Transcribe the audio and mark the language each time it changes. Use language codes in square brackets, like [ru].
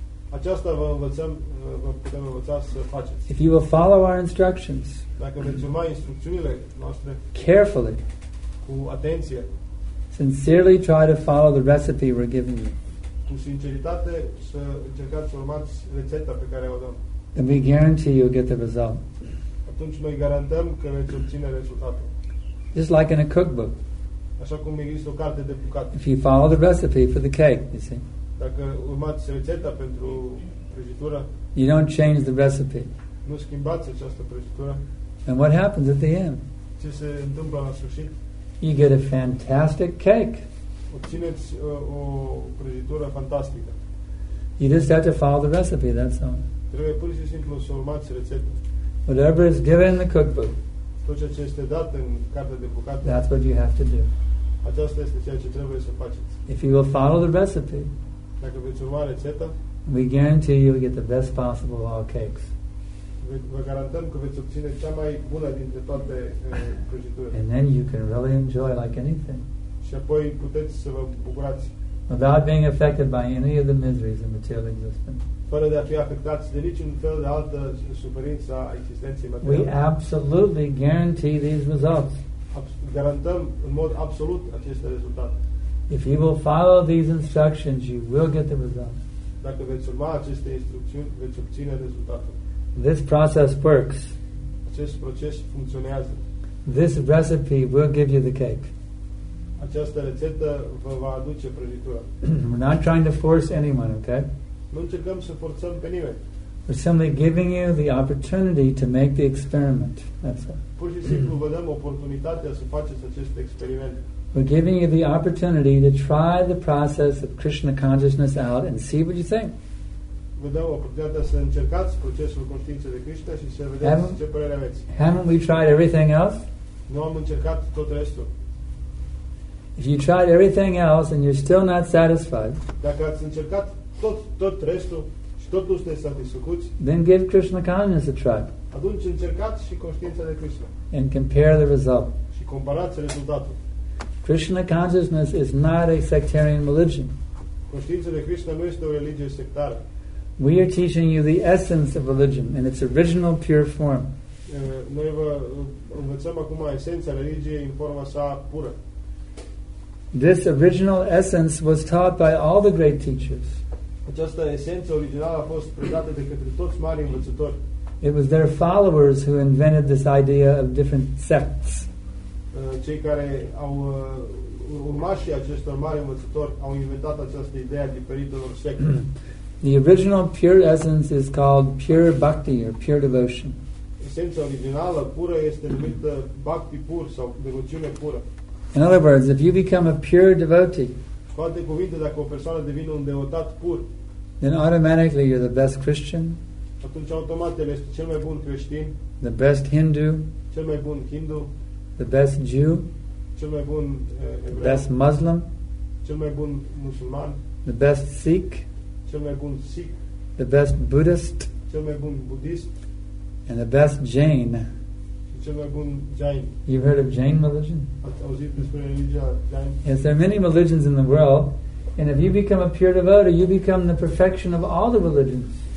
[ro] Aceasta vă învățăm, vă putem învăța să faceți. [en] If you will follow our instructions, [ro] dacă veți urma instrucțiunile noastre, [en] carefully, [ro] cu atenție, [en] sincerely try to follow the recipe we're giving you, [ro] cu sinceritate să încercați să urmați rețeta pe care o dăm, [en] then we guarantee you'll get the result. [ro] Atunci noi garantăm că veți obține rezultatul. [en] Just like in a cookbook. [ro] Așa cum există o carte de bucate. [en] If you follow the recipe for the cake, you see. [ro] Dacă urmați rețeta pentru prăjitură, [en] you don't change the recipe. [ro] Nu schimbați această prăjitură. [en] And what happens at the end? [ro] Ce se întâmplă la sfârșit? [en] You get a fantastic cake. [ro] Obțineți o prăjitură fantastică. [en] You just have to follow the recipe, that's all. [ro] Trebuie pur și simplu să urmați rețeta. [en] Whatever is given in the cookbook. [ro] Tot ceea ce este dat în cartea de bucate. [en] That's what you have to do. [ro] Aceasta este ceea ce trebuie să faceți. [en] If you will follow the recipe, [ro] dacă veți urma rețeta, [en] we guarantee you'll get the best possible of all cakes. [ro] Vă garantăm că veți obține cea mai bună dintre toate prăjiturile. [en] And then you can really enjoy like anything. [ro] Și apoi puteți să vă bucurați. [en] Without being affected by any of the miseries of material existence. [ro] Fără de a fi afectați de niciun fel de altă suferință a existenței materiale. [en] We absolutely guarantee these results. [ro] Garantăm în mod absolut aceste rezultate. [en] If you will follow these instructions, you will get the results. [ro] Dacă veți urma aceste instrucțiuni, veți obține rezultatul. [en] This process works. [ro] Acest proces funcționează. [en] This recipe will give you the cake. [ro] Această rețetă vă va aduce prăjitura. [en] We're not trying to force anyone, okay? [ro] Nu încercăm să forțăm pe nimeni. [en] We're simply giving you the opportunity to make the experiment. That's it. [ro] Pur și simplu vă dăm oportunitatea să faceți acest experiment. [en] We're giving you the opportunity to try the process of Krishna consciousness out and see what you think. [ro] Vă dăm oportunitatea să încercați procesul conștiinței de Krishna și să vedeți ce părere aveți. [en] Haven't we tried everything else? [ro] Nu am încercat tot restul. [en] If you tried everything else and you're still not satisfied, [ro] dacă ați încercat tot restul și tot nu sunteți satisfăcuți, [en] then give Krishna consciousness a try. [ro] Atunci încercați și conștiința de Krishna. [en] And compare the result. [ro] Și comparați rezultatul. [en] Krishna consciousness is not a sectarian religion. [ro] Conștiința de Krishna nu este o religie sectară. [en] We are teaching you the essence of religion in its original pure form. [ro] Noi vă învățăm acum esența religiei în forma sa pură. [en] This original essence was taught by all the great teachers. [ro] Această esență originală a fost predată de către toți marii învățători. [en] It was their followers who invented this idea of different sects. [ro] Cei care au urmașii acestor mari învățători au inventat această idee a diferitelor secte. [en] The original pure essence is called pure bhakti or pure devotion. [ro] Esența originală pură este numită bhakti pur sau devoțiune pură. [en] In other words, if you become a pure devotee, [ro] cu alte cuvinte, dacă o persoană devine un devotat pur, [en] then automatically you're the best Christian, [ro] atunci automat el este cel mai bun creștin, [en] the best Hindu, [ro] cel mai bun hindu, [en] the best Jew, [ro] cel mai bun evreu, [en] the best Muslim, [ro] cel mai bun musulman, [en] the best Sikh, [ro] cel mai bun Sikh, [en] the best Buddhist, [ro] cel mai bun budist, [en] and the best Jain. [ro] Cel mai bun Jain. [en] You've heard of Jain religion? [ro] Ați auzit despre religia Jain? [en] Yes, there are many religions in the world, and if you become a pure devotee, you become the perfection of all the religions.